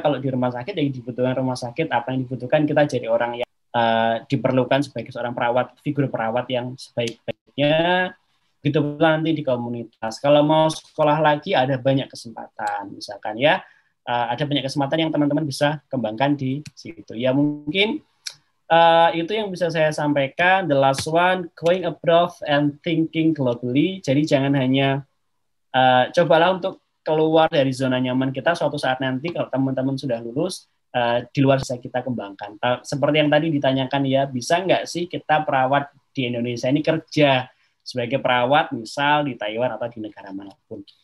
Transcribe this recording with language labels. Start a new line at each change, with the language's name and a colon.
Indonesian: Kalau di rumah sakit, yang dibutuhkan rumah sakit, apa yang dibutuhkan, kita jadi orang yang diperlukan sebagai seorang perawat, figur perawat yang sebaik-baiknya. Gitu nanti di komunitas. Kalau mau sekolah lagi, ada banyak kesempatan. Misalkan ya, ada banyak kesempatan yang teman-teman bisa kembangkan di situ. Ya mungkin itu yang bisa saya sampaikan.
English: The last one, going abroad and thinking globally.
Indonesian: Jadi jangan hanya, cobalah untuk keluar dari zona nyaman kita suatu saat nanti kalau teman-teman sudah lulus, di luar bisa kita kembangkan. Seperti yang tadi ditanyakan ya, bisa nggak sih kita perawat di Indonesia ini kerja sebagai perawat misal di Taiwan atau di negara manapun.